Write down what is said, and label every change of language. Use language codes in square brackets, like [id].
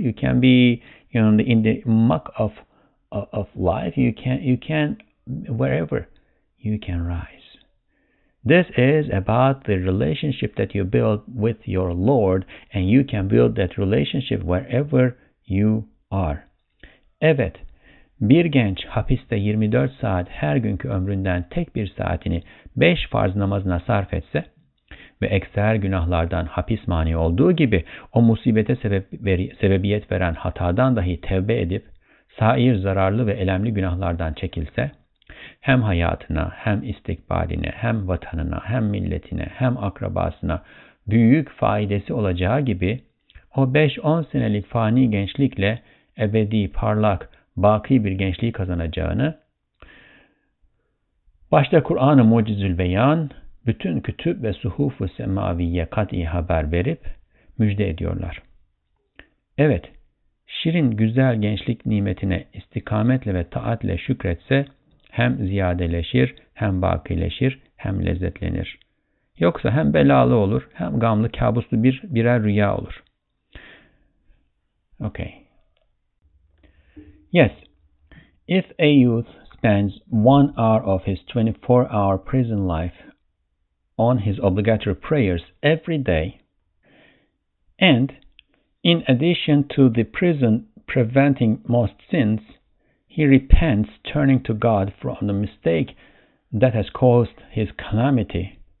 [en] You can be, you know, in the muck of life. You can wherever you can rise. This is about the relationship that you build with your Lord, and you can build that relationship wherever you are. [tr] Evet, bir genç hapiste 24 saat her günkü ömründen tek bir saatini 5 farz namazına sarf etse ve ekser günahlardan hapis mani olduğu gibi o musibete sebebiyet veren hatadan dahi tevbe edip sair zararlı ve elemli günahlardan çekilse, hem hayatına, hem istikbaline, hem vatanına, hem milletine, hem akrabasına büyük faidesi olacağı gibi, o 5-10 senelik fani gençlikle ebedi, parlak, baki bir gençliği kazanacağını, başta Kur'an-ı Mucizül Beyan, bütün kütüb ve suhuf-ı semaviye kat'i haber verip müjde ediyorlar. Evet, şirin güzel gençlik nimetine istikametle ve taatle şükretse, hem ziyadeleşir, hem bakileşir, hem lezzetlenir. Yoksa hem belalı olur, hem gamlı, kabuslu birer rüya olur. [en] Okay. Yes. If a youth spends 1 hour of his 24-hour prison life on his obligatory prayers every day, and in addition to the prison preventing most sins, he repents, turning to God from the mistake that has caused his calamity,